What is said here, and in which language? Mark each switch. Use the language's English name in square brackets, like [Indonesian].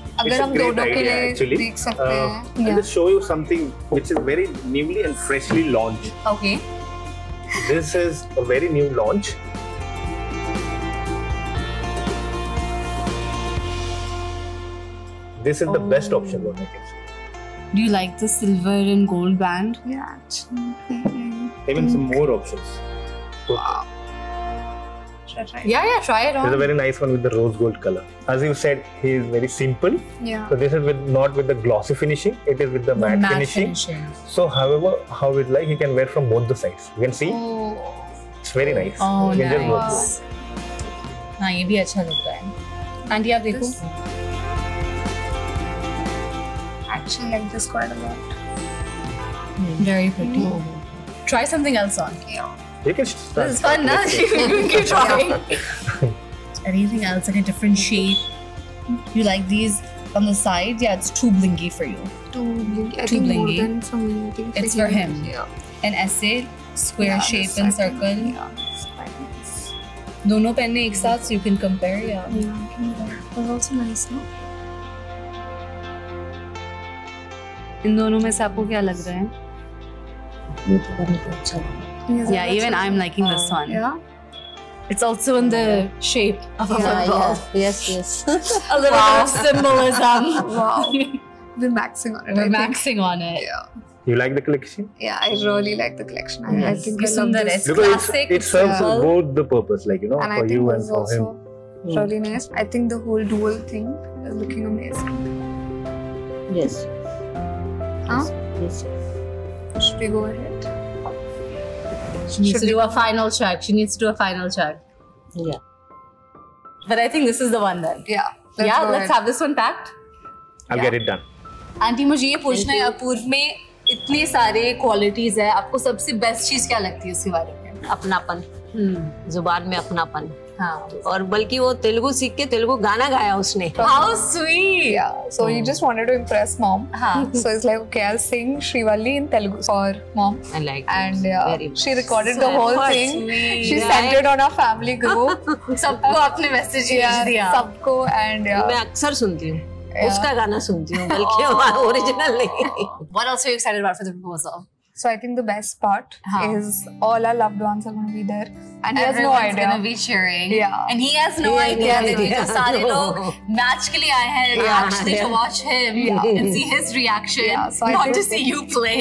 [Hindi] अगर हम दोनों के लिए देख सकते हैं, [English] I'll just show you something which is very newly and freshly launched. Okay. This is a very new launch. This is the best option, what I can say. Do you like the silver and gold band? Yeah, actually. Even some more options. Wow. Try. Yeah, try it on. This is a very nice one with the rose gold color. As you said, he is very simple. Yeah. So this is with not with the glossy finishing. It is with the matte finishing. So however, how it like, you can wear from both the sides. You can see. Oh. It's very nice. Oh, nice. Wow. [Hindi] नह, ये भी अच्छा लगता है. Aunty, आप देखो. [English] Actually, I like this quite a lot. Very pretty. Mm-hmm. Try something else on. Yeah. You can start. This is fun, nah? You keep trying. Anything else, like a different shape? You like these on the sides? Yeah, it's too blingy for you. Too blingy. More than something. It's for him. Yeah. An essay, square shape and circle. Yeah, it's quite nice. [Hindi] Dono pehne ek saath, [English] so you can compare, yeah. Yeah, can compare. That's also nice, no? [Hindi] इन दोनों में से आपको क्या लग रहा है? [English] Yeah, even I'm liking this one. Yeah. It's also in the shape of a football. Yes, yes, yes. A little bit of symbolism. Wow. We're maxing on it. Yeah. You like the collection? Yeah, I really like the collection. Yes. I think it's on the rest. Classic. It serves both the purpose, like, you know, and for you and for him. Really nice. I think the whole dual thing is looking amazing. Yes. Huh? Yes. Yes. Should we go ahead? She needs to do a final check. Yeah. But I think this is the one then. Yeah. Let's have this one packed. I'll get it done. [Hindi] Auntie, मुझे ये पूछना है अपूर्व में इतने सारे qualities हैं. आपको सबसे best चीज क्या लगती है उसके बारे में? अपनापन. जुबान में अपनापन. हाँ. और बल्कि वो तेलुगु सीख के तेलुगु गाना गाया उसने. [English] How sweet. Yeah. So you just wanted to impress mom. [Hindi] हाँ. [English] So it's like okay, I'll sing Shrivalli in Telugu for mom. I like. And she recorded the whole thing. She sent it on our family group. [Hindi] सबको अपने message भेज दिया. सबको and मैं अक्सर सुनती हूँ. उसका गाना सुनती हूँ बल्कि original नहीं. [English] What else are you excited about for the proposal? So I think the best part is all our loved ones are going to be there. And everyone's going to be cheering. Yeah. And he has no idea that we just saw it. [Hindi] Match ke liye aaye hain [English] actually to watch him and see his reaction, see you play.